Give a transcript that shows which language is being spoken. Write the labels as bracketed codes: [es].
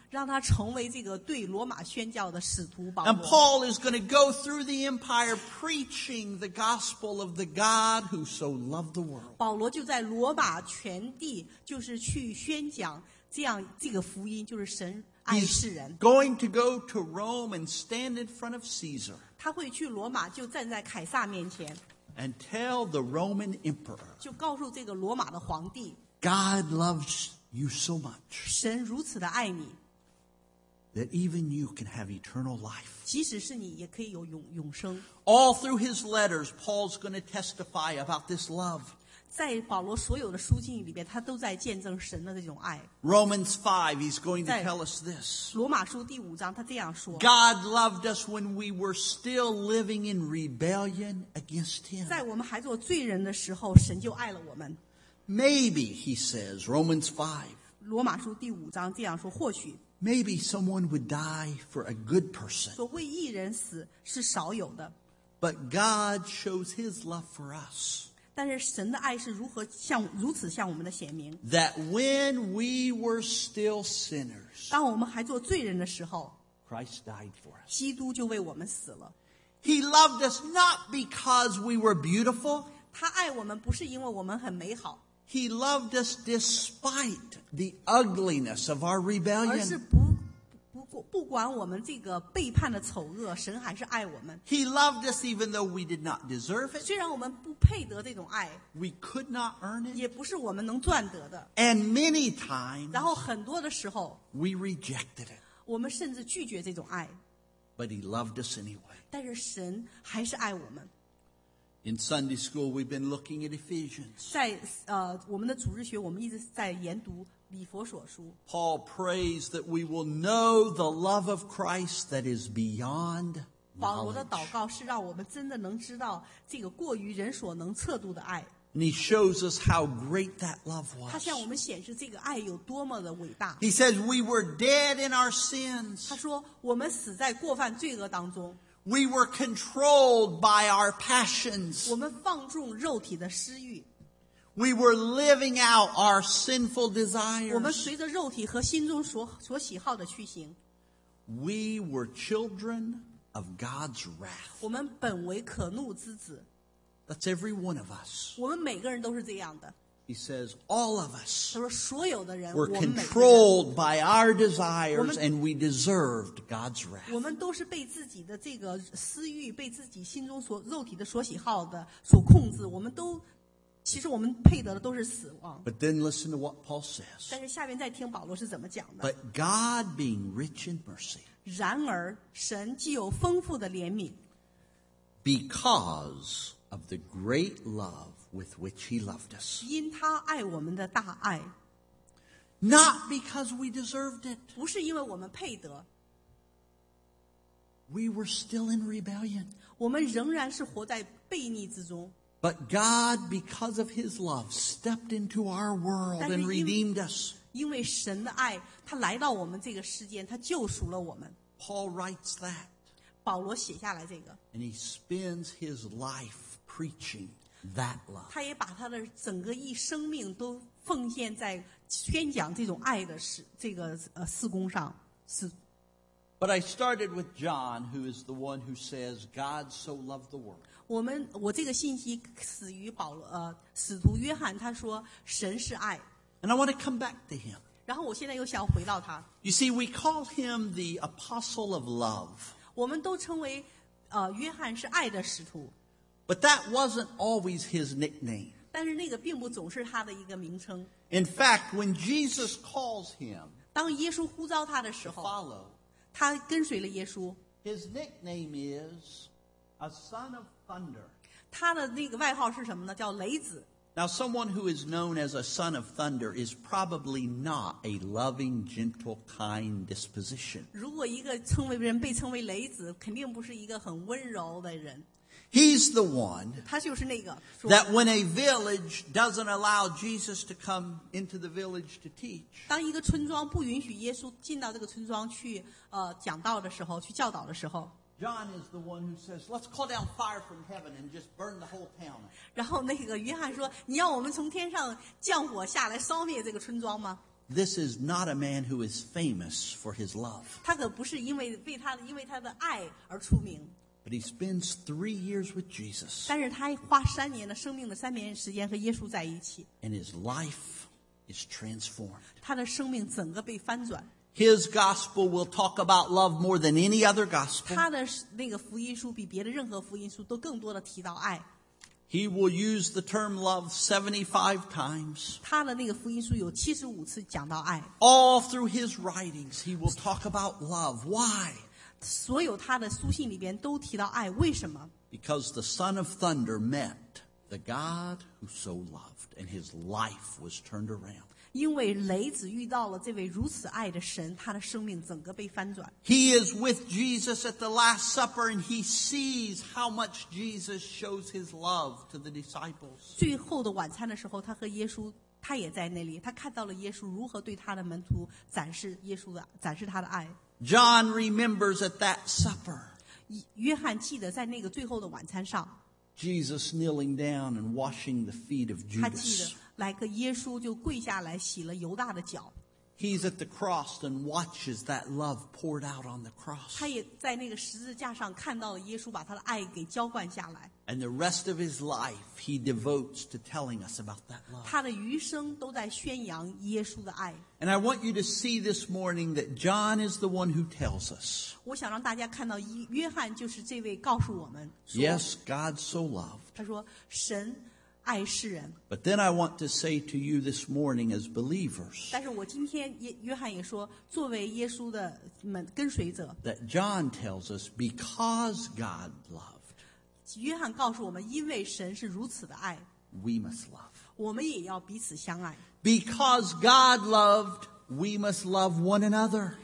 [zh] 让他成为这个对罗马宣教的使徒保罗。 [en] And Paul is going to go through the empire preaching the gospel of the God who so loved the world. [zh] 保罗就在罗马全地就是去宣讲这个福音就是神爱世人。 [en] He's going to go to Rome and stand in front of Caesar. [zh] 他会去罗马就站在凯撒面前。 [en] And tell the Roman emperor. [zh] 就告诉这个罗马的皇帝。 [en] God loves you so much. [zh] 神如此的爱你。 [en] That even you can have eternal life. [zh] 即使是你也可以有永生。 [en] All through his letters, Paul's going to testify about this love. [zh] 在保罗所有的书信里面，他都在见证神的这种爱。 [en] Romans 5, he's going to tell us this. [zh] 罗马书第五章，他这样说。 [en] God loved us when we were still living in rebellion against him. [zh] 在我们还做罪人的时候，神就爱了我们。 [en] Maybe, he says, Romans 5. [zh] 罗马书第五章这样说，或许。 [en] Maybe someone would die for a good person. [zh] 所谓义人死是少有的。 [en] But God shows His love for us. [zh] 但是神的爱是如何向如此向我们的显明。 [en] That when we were still sinners, [zh] 当我们还做罪人的时候 [en] ，Christ died for us. [zh] 基督就为我们死了。 [en] He loved us not because we were beautiful. [zh] 他爱我们不是因为我们很美好。 [en] He loved us despite the ugliness of our rebellion. [zh] 而是不管我们这个背叛的丑恶，神还是爱我们。 [en] He loved us even though we did not deserve it. [zh] 虽然我们不配得这种爱。 [en] We could not earn it. [zh] 也不是我们能赚得的。 [en] And many times. [zh] 然后很多的时候。 [en] We rejected it. [zh] 我们甚至拒绝这种爱。 [en] But he loved us anyway. [zh] 但是神还是爱我们。 [en] In Sunday school, we've been looking at Ephesians. [zh] 在我们的主日学，我们一直在研读以弗所书。 [en] Paul prays that we will know the love of Christ that is beyond knowledge. [zh] 保罗的祷告是让我们真的能知道这个过于人所能测度的爱。 [en] And he shows us how great that love was. [zh] 他向我们显示这个爱有多么的伟大。 [en] He says we were dead in our sins. [zh] 他说我们死在过犯罪恶当中。 [en] We were controlled by our passions. [zh] 我们放纵肉体的私欲。 [en] We were living out our sinful desires. [zh] 我们随着肉体和心中所喜好的去行。 [en] We were children of God's wrath. [zh] 我们本为可怒之子。 [en] That's every one of us. [zh] 我们每个人都是这样的。 [en] He says, all of us [zh] 他说所有的人 [en] were controlled by our desires and we deserved God's wrath. [zh] 我们都是被自己的这个私欲被自己心中所肉体的所喜好的所控制我们都其实我们配得的都是死亡。 [en] But then listen to what Paul says. [zh] 但是下面再听保罗是怎么讲的。 [en] But God being rich in mercy. [zh] 然而神既有丰富的怜悯。 [en] Because of the great love With which he loved us. [zh] 因他爱我们的大爱。 [en] Not because we deserved it. [zh] 不是因为我们配得。 [en] We were still in rebellion. [zh] 我们仍然是活在悖逆之中。 [en] But God, because of His love, stepped into our world and redeemed us. [zh] 因为神的爱，他来到我们这个世间，他救赎了我们。 [en] Paul writes that. [zh] 保罗写下来这个。 [en] And he spends his life preaching that love. [zh] 他也把他的整个一生命都奉献在宣讲这种爱的事，这个事工上。 [en] But I started with John, who is the one who says, God so loved the world. [zh] 我这个信息始于保罗，使徒约翰，他说神是爱。 [en] And I want to come back to him. [zh] 然后我现在又想回到他。 [en] You see, we call him the apostle of love. [zh] 我们都称为约翰是爱的使徒。 [en] But that wasn't always his nickname. [zh] 但是那个并不总是他的一个名称。 [en] In fact, when Jesus calls him, [zh] 当耶稣呼召他的时候 [en] follow, [zh] 他跟随了耶稣。 [en] His nickname is a son of thunder. [zh] 他的那个外号是什么呢？叫雷子。 [en] Now, someone who is known as a son of thunder is probably not a loving, gentle, kind disposition. [zh] 如果一个称为人被称为雷子，肯定不是一个很温柔的人。 [en] He's the one [zh] 他就是那个 [en] that when a village doesn't allow Jesus to come into the village to teach, [zh] 当一个村庄不允许耶稣进到这个村庄去讲道的时候，去教导的时候， [en] John is the one who says, let's call down fire from heaven and just burn the whole town. [zh] 然后那个约翰说，你要我们从天上降火下来烧灭这个村庄吗？ [en] This is not a man who is famous for his love. [zh] 他可不是因为他的爱而出名。 [en] But he spends 3 years with Jesus. [zh] 但是他花三年的生命的三年时间和耶稣在一起。 [en] And his life is transformed. [zh] 他的生命整个被翻转。 [en] His gospel will talk about love more than any other gospel. [zh] 他的那个福音书比别的任何福音书都更多的提到爱。 [en] He will use the term love 75 times. [zh] 他的那个福音书有75次讲到爱。 [en] All through his writings, he will talk about love. Why? [zh] 所有他的书信里边都提到爱，为什么？ [en] Because the Son of Thunder met the God who so loved, and his life was turned around. [zh] 因为雷子遇到了这位如此爱的神，他的生命整个被翻转。 [en] He is with Jesus at the Last Supper, and he sees how much Jesus shows his love to the disciples. [zh] 最后的晚餐的时候，他和耶稣，他也在那里，他看到了耶稣如何对他的门徒展示耶稣的，展示他的爱。 [en] John remembers at that supper. [zh] 约翰记得在那个最后的晚餐上。 [en] Jesus kneeling down and washing the feet of Judas. [zh] 他记得，来个耶稣就跪下来洗了犹大的脚。 [en] He's at the cross and watches that love poured out on the cross. [zh] 他也在那个十字架上看到了耶稣把他的爱给浇灌下来。 [en] And the rest of his life he devotes to telling us about that love. [zh] 他的余生都在宣扬耶稣的爱。 [en] And I want you to see this morning that John is the one who tells us. [zh] 我想让大家看到约翰就是这位告诉我们。 [en] Yes, God so loved. [zh] 他说神爱世人。 [en] But then I want to say to you this morning as believers. [zh] 但是我今天约翰也说作为耶稣的跟随者。 [en] That John tells us because God loved. [zh] 约翰告诉我们，因为神是如此的爱 [en] ，We must love. [zh] 我们也要彼此相爱。 [en] Because God loved, we must love one another.